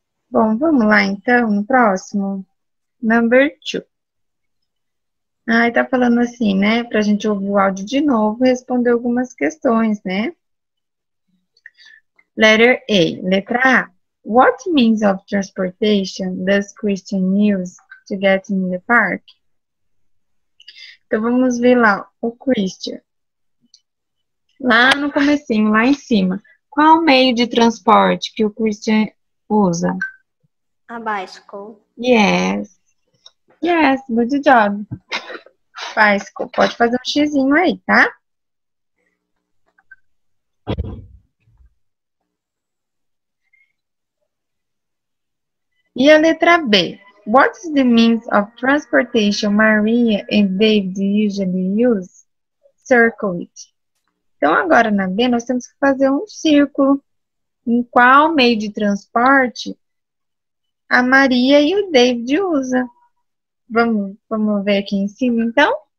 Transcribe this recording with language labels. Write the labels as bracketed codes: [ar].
[pt] Bom, vamos lá então, no próximo. [en] Number two. [pt] Ai, tá falando assim, né? Pra gente ouvir o áudio de novo e responder algumas questões, né? [en] Letter A. [pt] Letra A. [en] What means of transportation does Christian use to get in the park? [pt] Então vamos ver lá o Christian. Lá no comecinho, lá em cima. Qual o meio de transporte que o Christian usa? [en] A bicycle. Yes. Yes, good job. [pt] Bicycle, pode fazer um xizinho aí, tá? E a letra B. [en] What is the means of transportation Maria and David usually use? Circle it. [pt] Então, agora na B, nós temos que fazer um círculo. Em qual meio de transporte a Maria e o David usa? Vamos ver aqui em cima, então.